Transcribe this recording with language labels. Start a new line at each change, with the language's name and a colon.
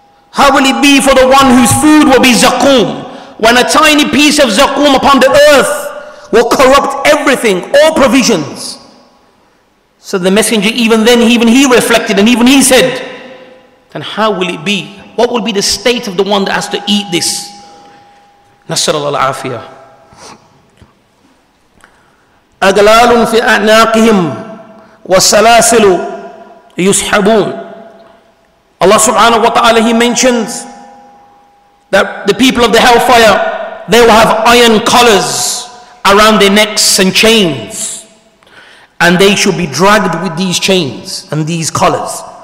English: How will it be for the one whose food will be zakum, when a tiny piece of zakum upon the earth will corrupt everything, all provisions? So the Messenger, even then, even he reflected, and even he said, then how will it be? What will be the state of the one that has to eat this?
Arabic: نسأل الله العافية. أغلال في أعناقهم وسلاسل يسحبون.
English: Allah subhanahu wa ta'ala, he mentions that the people of the hellfire, they will have iron collars around their necks and chains, and they shall be dragged with these chains and these collars.